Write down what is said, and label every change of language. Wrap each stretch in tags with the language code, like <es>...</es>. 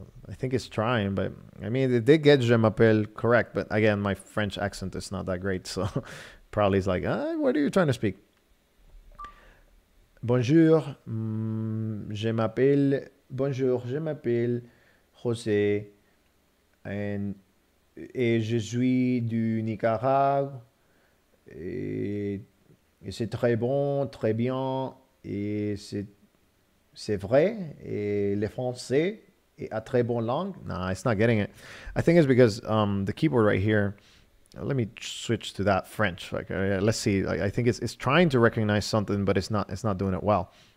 <en>I think it's trying, but I mean, it did get je m'appelle correct, but again, my French accent is not that great, so probably it's like, what are you trying to speak?</en> <fr>Bonjour, je m'appelle. Bonjour, je m'appelle José, et je suis du Nicaragua. Et c'est très bon, très bien, et c'est vrai. Et le français est à très bonne langue.</fr> <en>Nah, it's not getting it. I think it's because the keyboard right here. Let me switch to that French. Like, let's see. I think it's trying to recognize something, but it's not doing it well.</en>